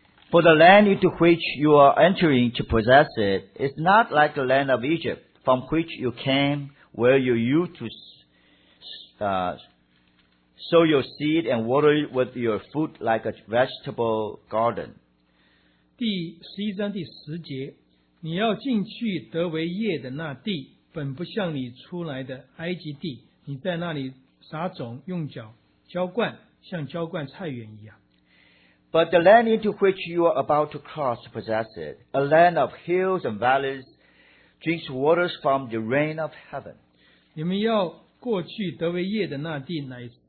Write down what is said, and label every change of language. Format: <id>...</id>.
<en>For the land into which you are entering to possess it is not like the land of Egypt from which you came, where you used to sow your seed and water it with your food like a vegetable garden.</en> <zh>第十一章第十节，你要进去得为业的那地，本不像你出来的埃及地。你在那里撒种，用脚浇灌，像浇灌菜园一样。</zh> <en>But the land into which you are about to cross to possess it, a land of hills and valleys, drinks waters from the rain of heaven.</en> <zh>你们要过去得为业的那地，乃</zh>